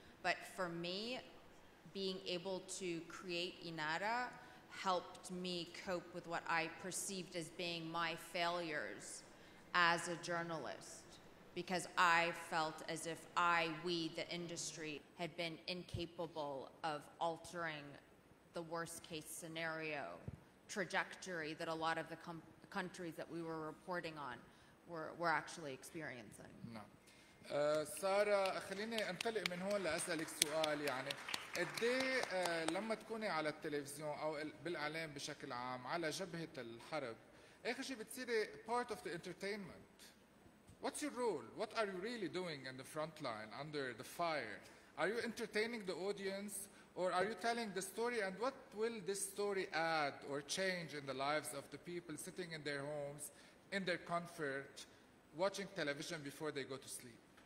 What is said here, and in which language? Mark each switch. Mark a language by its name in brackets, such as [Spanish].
[English] But for me, being able to create INARA helped me cope with what I perceived as being my failures as a journalist, because I felt as if we, the industry, had been incapable of altering the worst case scenario trajectory that a lot of the countries that we were reporting on were actually experiencing. No. [Arabic] سارة خليني انطلق من هون لأسألك سؤال يعني قدي لما تكوني على التلفزيون أو بالإعلام بشكل عام على جبهة الحرب آخر شيء بتصيري [English] part of the entertainment. What's your role? What are you really doing in the front line under the fire? Are you entertaining the audience or are you telling the story, and what will this story add or change in the lives of the people sitting in their homes in their comfort watching television before they go to sleep?